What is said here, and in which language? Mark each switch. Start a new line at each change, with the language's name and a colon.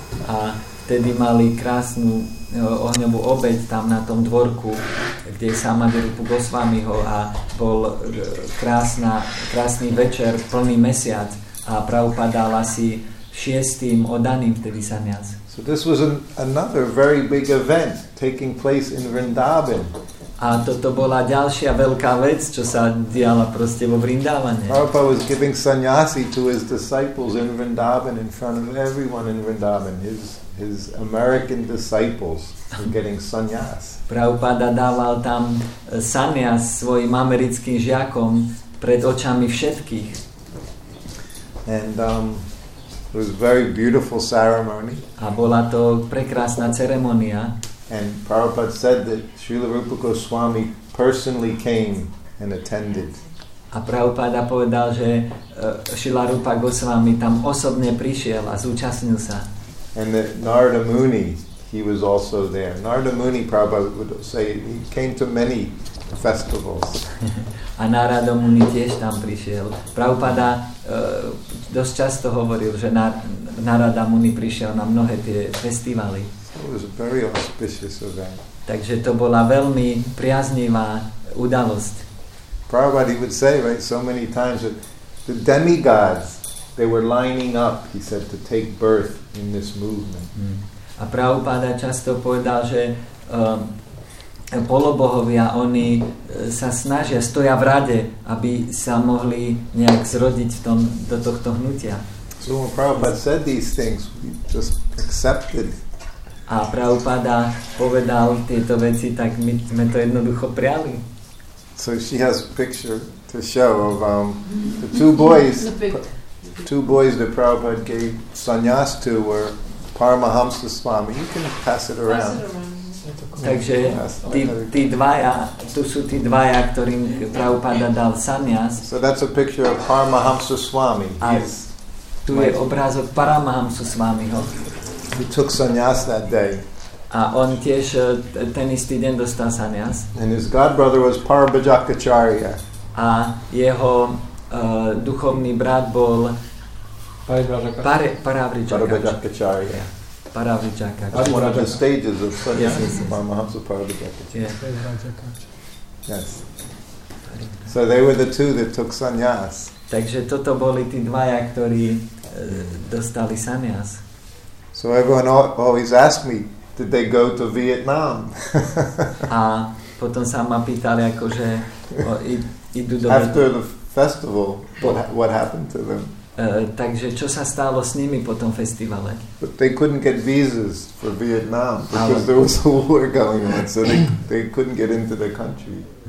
Slovak: A tedy mali krásnu ohňovú obeť tam na tom dvorku, kde samadhi Rupa Goswamiho a bol krásny večer, plný mesiac. A Prabhupada dal asi 6 oddaným vtedy sannyas.
English: So this was another very big event taking place in Vrindavan.
Slovak: A toto bola ďalšia veľká vec, čo sa diala proste vo Vrindavane.
English: Prabhupada was giving sannyasi to his disciples in Vrindavan in front of everyone in Vrindavan. His American disciples were getting sannyas.
Slovak: Prabhupada dával tam sannyas svojim americkým žiakom pred očami všetkých.
English: And it was a very beautiful ceremony.
Slovak: A bola to prekrásna ceremonia.
English: And Prabhupada said that Srila Rupa Goswami personally came and attended.
Slovak: A Prabhupada povedal, že Srila Rupa Goswami tam osobne prišiel a zúčastnil sa.
English: And that Narada Muni, he was also there. Narada Muni, Prabhupada would say, he came to many festivals.
Slovak: A Narada Muni tiež tam prišiel. Prabhupada dosť často hovoril, že Narada Muni prišiel na mnohé tie festivály.
English: So it was a very auspicious event.
Slovak: Takže to bola veľmi priaznivá udalosť.
English: Prabhupada would say, right, so many times that the demigods, they were lining up, he said, to take birth in this movement. Mm.
Slovak: A Prabhupada často povedal, že polobohovia, oni sa snažia, stoja v rade, aby sa mohli nejak zrodiť v tom, do tohto hnutia.
English: So when Prabhupada said these things, we just accepted.
Slovak: A Prabhupada povedal tieto veci, tak my sme to jednoducho prijali.
English: So she has a picture to show of the two boys. Two boys that Prabhupada gave sannyas to were Paramahamsa Swami. You can pass it around.
Slovak: Takže tí dvaja, tu sú tí dvaja, ktorým Prabhupada dal sannyas.
English: So that's a picture of Paramahamsa Swami.
Slovak: Yes. Tu je obrázok Paramahamsa Swamiho.
English: He took sannyas that day.
Slovak: A on tiež ten istý deň dostal sannyas.
English: And his godbrother was Parabhajakacharya.
Slovak: A jeho duchovný brat bol Parabhajakacharya. Parabhajakacharya.
English: One of the stages of sannyas of Paramahamsa Parabhajakacharya. Yes. So they were the two that took sannyas.
Slovak: Takže toto boli tí dvaja, ktorí dostali sannyas.
English: So everyone always asked me, did they go to Vietnam?
Slovak: A potom sa ma pýtali, akože idú do Vietnamu.
English: After the festival, what happened to them?
Slovak: Takže čo sa stalo s nimi po tom festivale?
English: But they couldn't get visas for Vietnam because there was a war going on, so they couldn't get into the country.